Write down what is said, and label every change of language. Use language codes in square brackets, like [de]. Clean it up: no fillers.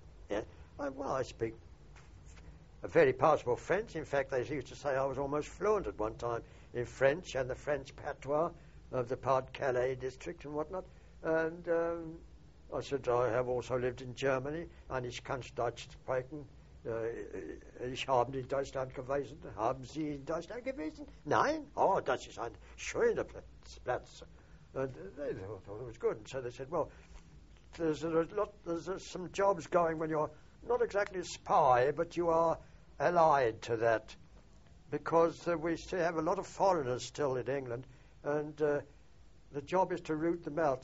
[en] I speak a very passable French. In fact, they used to say I was almost fluent at one time in French and the French patois of the Pas-de-Calais district and whatnot. And I said, "I have also lived in Germany, and [de] ich kann Deutsch sprechen. Ich habe in Deutschland gewesen. Haben Sie in Deutschland gewesen?" "Nein." "Oh, Deutsch ist ein schöner Platz." [en] And they thought it was good. And so they said, "Well, there's some jobs going when you're not exactly a spy, but you are allied to that. Because we still have a lot of foreigners still in England, and the job is to root them out.